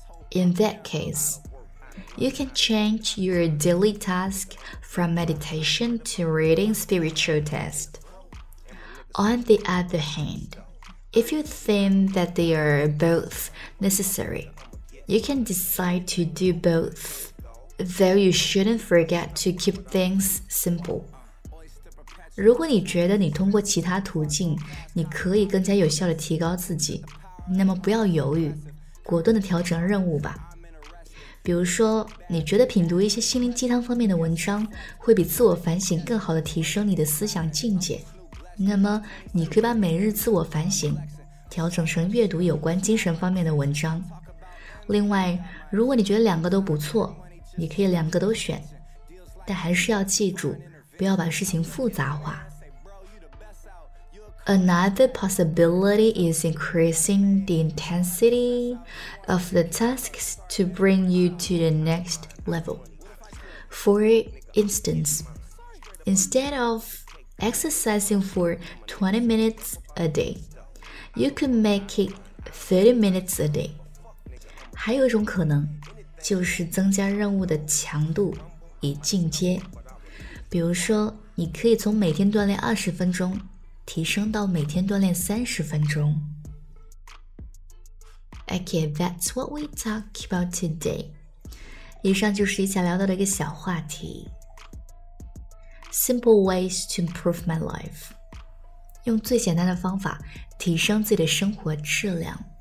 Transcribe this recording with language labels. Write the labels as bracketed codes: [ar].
[en] In that case, you can change your daily task from meditation to reading spiritual text. On the other hand, if you think that they are both necessary, you can decide to do both. Though you shouldn't forget to keep things simple. [zh] 如果你觉得你通过其他途径你可以更加有效地提高自己，那么不要犹豫，果断地调整任务吧。比如说，你觉得品读一些心灵鸡汤方面的文章会比自我反省更好地提升你的思想境界，那么你可以把每日自我反省调整成阅读有关精神方面的文章。另外，如果你觉得两个都不错，你可以两个都选，但还是要记住，不要把事情复杂化。 [en] Another possibility is increasing the intensity of the tasks to bring you to the next level. For instance, instead of exercising for 20 minutes a day, you could make it 30 minutes a day. [zh] 还有一种可能就是增加任务的强度以进阶，比如说你可以从每天锻炼20分钟提升到每天锻炼30分钟。 [en] Okay, that's what we talk about today. [zh] 以上就是一起聊到的一个小话题， [en] Simple ways to improve my life， [zh] 用最简单的方法提升自己的生活质量。